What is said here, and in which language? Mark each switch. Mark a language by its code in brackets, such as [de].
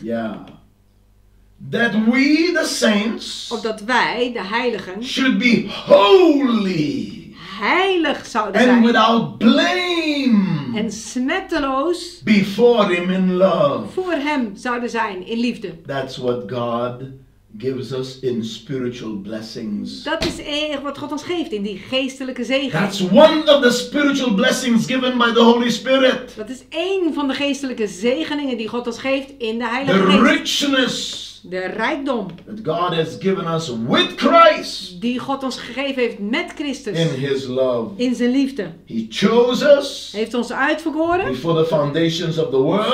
[en] Ja. Yeah. That we the saints. [nl] Opdat wij de heiligen. [en] Should be holy. [nl] Heilig zouden [en] and [nl] zijn. [en] And without blame. [nl] En smetteloos. [en] Before him in love. [nl] Voor hem zouden zijn in liefde. [en] That's what God gives us in spiritual blessings. [nl] Dat is echt wat God ons geeft in die geestelijke zegen. [en] That's one of the spiritual blessings given by the Holy Spirit. [nl] Dat is één van de geestelijke zegeningen die God ons geeft in de Heilige [en] the [nl] Geest. [en] The richness. [nl] De rijkdom. [en] That God has given us with Christ. [nl] Die God ons gegeven heeft met Christus. [en] In his love. [nl] In zijn liefde. [en] He chose us. [nl] Heeft ons uitverkoren. [en] Before the foundations of the world.